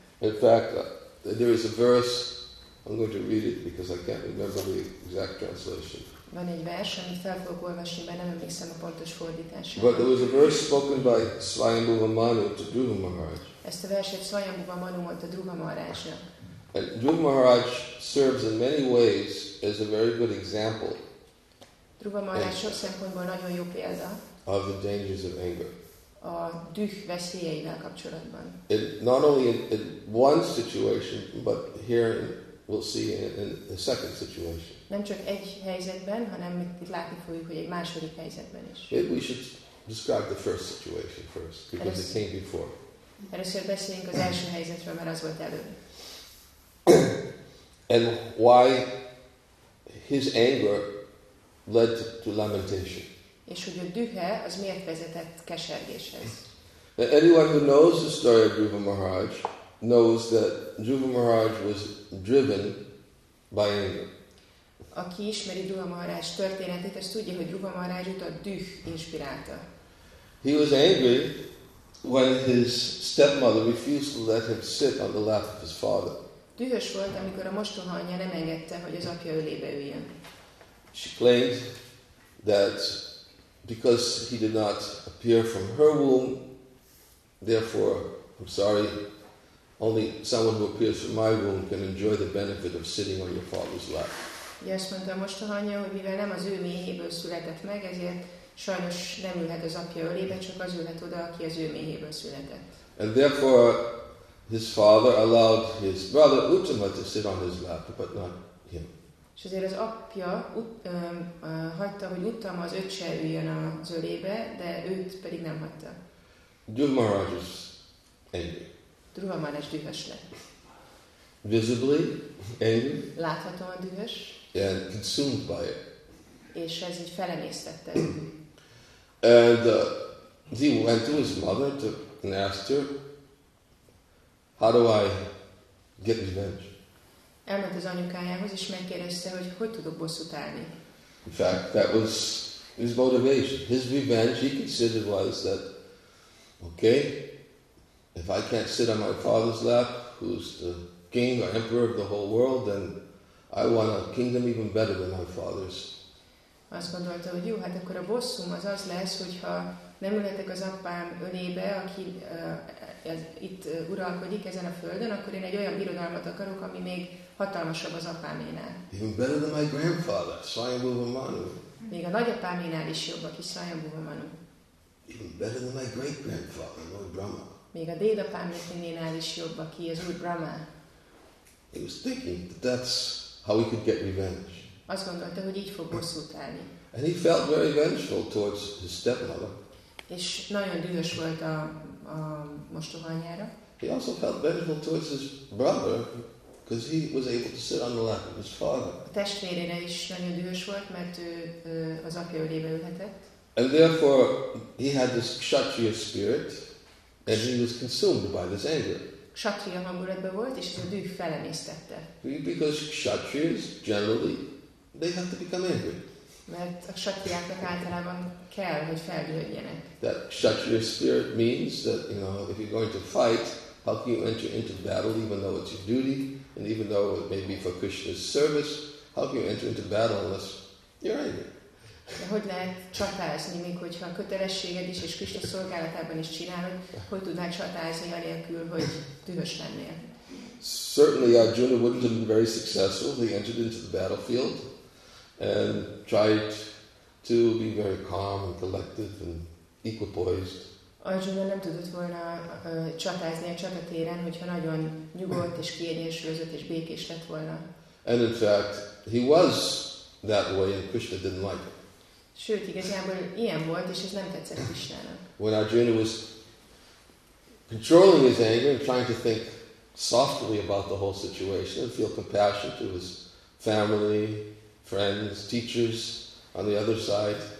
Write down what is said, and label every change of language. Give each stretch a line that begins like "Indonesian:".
English: In fact, there is a verse, I'm going to read it because I can't remember the exact translation.
Hungarian: Van egy vers, amit fel fogok olvasni, mert nem emlékszem a pontos fordítását.
English: But there was a verse spoken by Svayambhuva Manu to Dhruva Maharaj.
Hungarian: Ezt a verset Svayambhuva Manu mondta Dhruva Maharajnak.
English: And Dhruva Maharaj serves in many ways as a very good example.
Hungarian: Dhruva Maharaj sok szempontból nagyon jó példa.
English: Of the dangers of anger.
Hungarian: A düh veszélyeivel kapcsolatban.
English: It, not only in one situation, but here we'll see in a second situation.
Hungarian: Nem csak egy helyzetben, hanem itt látni fogjuk, hogy egy második helyzetben is.
English: It, we should describe the first situation first, because it came before.
Hungarian: Először beszéljünk az első helyzetről, mert az volt előbb.
English: And why his anger led to lamentation.
Hungarian: És hogy a dühe az miért vezetett kesergéshez.
English: Now, anyone who knows the story of Dhruva Maharaj knows that Dhruva Maharaj was driven by anger.
Hungarian: Aki ismeri Dhruva Maharaj történetét, az tudja, hogy Dhruva Maharaj utat düh inspirálta.
English: He was angry when his stepmother refused to let him sit on the lap of his father.
Hungarian: Dühös volt, amikor a mostohaanyja nem engedte, hogy az apja ölébe üljön.
English: She claimed that because he did not appear from her womb, therefore, I'm sorry, only someone who appears from my womb can enjoy the benefit of sitting on your father's lap.
Hungarian: Azt mondta a mostohaanyja, hogy mivel nem az ő méhéből született meg, ezért sajnos nem ülhet az apja ölébe, csak az ülhet oda, aki az ő méhéből született.
English: And therefore, his father allowed his brother Uttama to sit on his lap, but not him.
Hungarian: És azért az apja hagyta, hogy Uttama az öccse üljön a zölébe, de őt pedig nem hagyta.
English: Dhruva Maharaj is angry.
Hungarian: Dhruva Maharaj dühös lett.
English: Visibly angry.
Hungarian: Láthatóan dühös.
English: And consumed by it.
Hungarian: És ez így felemésztette.
English: And he went to his mother and asked her, how do I get revenge?
Hungarian: Elment az anyukájához, és megkérdezte, hogy hogy tudok bosszút állni.
English: In fact, that was his motivation. His revenge, he considered, was that, okay, if I can't sit on my father's lap, who's the king or emperor of the whole world, then I want a kingdom even better than my father's.
Hungarian: Azt gondolta, hogy jó, hát akkor a bosszum az az lesz, hogyha nem ülhetek az apám ölébe, aki itt uralkodik ezen a földön, akkor én egy olyan birodalmat akarok, ami még hatalmasabb az apáménál.
English: Even better than my grandfather, Svayambhuva Manu.
Hungarian: Még a nagyapáménál is jobb, aki Svayambhuva Manu.
English: Even better than my great-grandfather, Lord Brahma.
Hungarian: Még a dédapáménál is jobb, aki az Úr Brahma.
English: He was thinking that that's how he could get revenge.
Hungarian: Azt gondolta, hogy így fog bosszút állni.
English: And he felt very vengeful towards his stepmother.
Hungarian: És nagyon dühös volt a mostohaanyjára.
English: He also felt vengeful towards his brother, because he was able to sit on the lap of his father.
Hungarian: A testvérére is nagyon dühös volt, mert ő az apja ölébe ülhetett.
English: And therefore, he had this kshatriya spirit, and he was consumed by this anger.
Hungarian: Kshatriya hangulatban volt, és ez a düh felemésztette.
English: Because kshatriyas, generally, they have to become angry.
Hungarian: Mert a kshatriyáknak általában kell, hogy feldühödjenek.
English: That kshatriya spirit means that, you know, if you're going to fight, how can you enter into battle even though it's your duty, and even though it may be for Krishna's service, how can you enter into battle unless you're angry?
Hungarian: De hogy lehet csatázni, még hogyha a kötelességed is, és Krishna szolgálatában is csinálod, hogy tudnál csatázni anélkül, hogy dühös lennél?
English: Certainly Arjuna wouldn't have been very successful if he entered into the battlefield and tried to be very calm and collective and equipoised.
Hungarian: Arjuna nem tudott volna csatázni a csatatéren, hogyha nagyon nyugodt és kiegyensúlyozott és békés lett volna.
English: And in fact, he was that way and Krishna didn't like it.
Hungarian: Sőt, igazából ilyen volt, és ez nem tetszett Krishnának.
English: When Arjuna was controlling his anger and trying to think softly about the whole situation and feel compassion to his family, friends, teachers on the other side.